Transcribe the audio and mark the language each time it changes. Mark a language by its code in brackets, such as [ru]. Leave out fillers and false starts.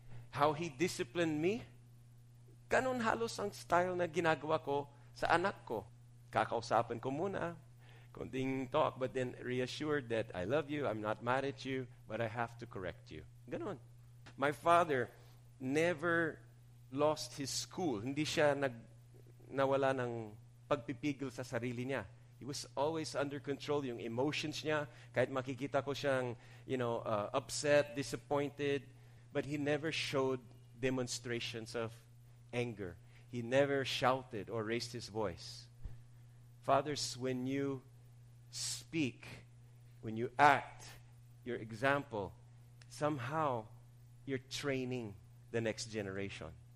[en] How he disciplined me, [tl] ganun halos ang style na ginagawa ko sa anak ko. Kakausapin ko muna, konting [en] talk, but then reassured that I love you, I'm not mad at you, but I have to correct you. [tl] Ganun. [en] My father never lost his school. [tl] Hindi siya nawala ng pagpipigil sa sarili niya. [en] He was always under control, yung emotions niya. [tl] Kahit makikita ko siyang, [en] you know, upset, disappointed, but he never showed demonstrations of anger. He never shouted or raised his voice. Fathers, when you speak, when you act, your example, somehow you're training the next generation.